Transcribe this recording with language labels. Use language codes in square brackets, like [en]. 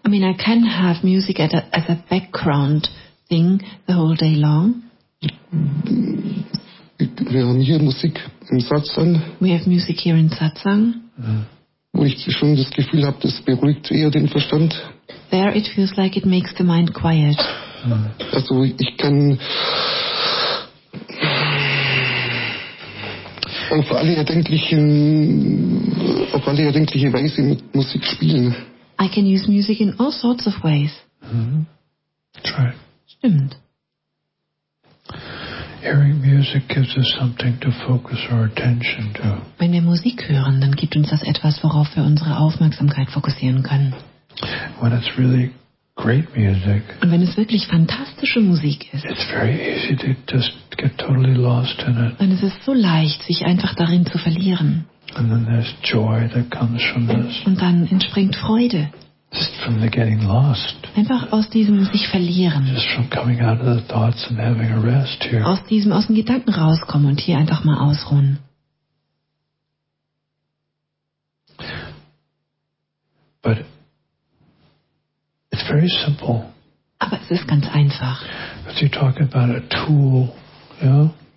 [en] I mean, I can have music as a background thing the whole day long. [de] Wir haben hier Musik im Satsang. [en] We have music here in Satsang. [de] Wo ich schon das Gefühl habe, das beruhigt eher den Verstand. [en] There it feels like it makes the mind quiet. [de] Also ich kann auf alle erdenkliche Weise mit Musik spielen. [en] I can use music in all sorts of ways. Right. [de] Stimmt. [en] Hearing music gives us something to focus our attention to. [de] Wenn wir Musik hören, dann gibt uns das etwas, worauf wir unsere Aufmerksamkeit fokussieren können. [en] When it's really great music, [de] und wenn es wirklich fantastische Musik ist, [en] it's very easy to just get totally lost in it. [de] Dann ist es so leicht, sich einfach darin zu verlieren. [en] And then there's joy that comes from this. [de] Und dann entspringt Freude. [en] Just from the getting lost. [de] Einfach aus diesem sich verlieren. [en] Just from coming out of the thoughts and having a rest here. [de] Aus den Gedanken rauskommen und hier einfach mal ausruhen. [en] But it's very simple. [de] Aber es ist ganz einfach. [en] But you're talking about a tool, yeah?